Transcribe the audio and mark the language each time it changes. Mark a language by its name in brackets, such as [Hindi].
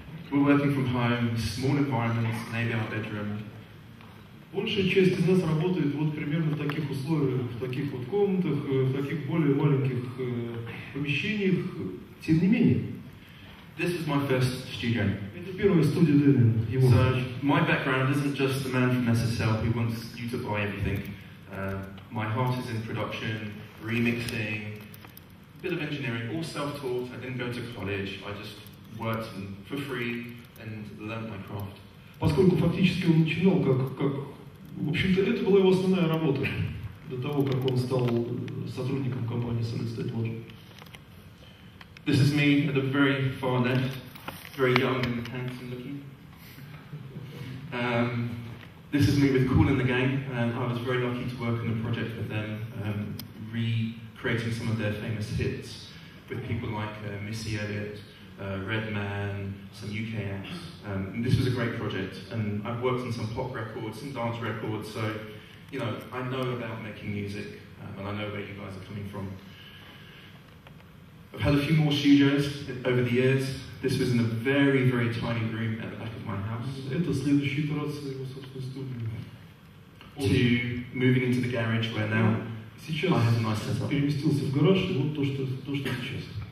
[English] We're working from home, small environments, maybe our bedroom. [Russian] Большая часть из нас работает вот примерно в таких условиях, в таких вот комнатах, в таких более маленьких помещениях. Тем не менее. [English] This is my first studio. [Russian] Это первая студия Дэвина. [English] So, my background isn't just the man from SSL who wants you to buy everything. My heart is in production, remixing, a bit of engineering, all self-taught. I didn't go to college. I just worked for free and learned my craft. [Russian] Поскольку фактически он начинал как в общем-то это была его основная работа до того, как он стал сотрудником компании Solid State Logic. [English] This is me at the very far left, very young and handsome looking. This is me with Cool in the Gang. I was very lucky to work on a project with them, recreating some of their famous hits with people like Missy Elliott, Redman, some UK acts. This was a great project, and I've worked on some pop records, some dance records, so, you know, I know about making music, and I know where you guys are coming from. I've had a few more studios over the years. This was in a very, very tiny room at the back of my house. [Russian] Это следующая итерация его собственной студии. [English] To moving into the garage where now [Russian] сейчас [English] I have a nice setup. [Russian] Переместился в гараж, и вот то, что сейчас.